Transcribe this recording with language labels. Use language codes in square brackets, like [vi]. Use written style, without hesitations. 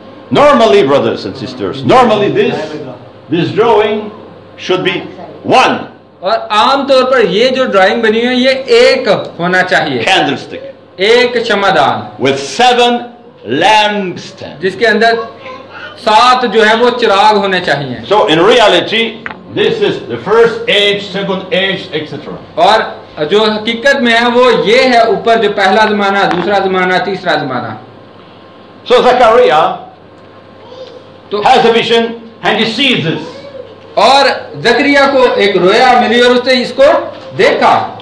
[en] Normally, brothers and sisters, normally this drawing should be 1. [hi] और आम तौर पर ये जो drawing बनी है ये एक होना चाहिए. [en] Candlestick. [hi] एक चमदान. [en] With 7 lampstands. [hi] जिसके अंदर सात जो है वो चिराग होने चाहिए. [en] So in reality, This is the first age, second age, etc. [hi] और जो हकीकत में है वो ये है ऊपर जो पहला जमाना दूसरा जमाना तीसरा जमाना [en] So Zechariah has a vision and he sees this. [hi] और जकरिया को एक रोया मिली और उसने इसको देखा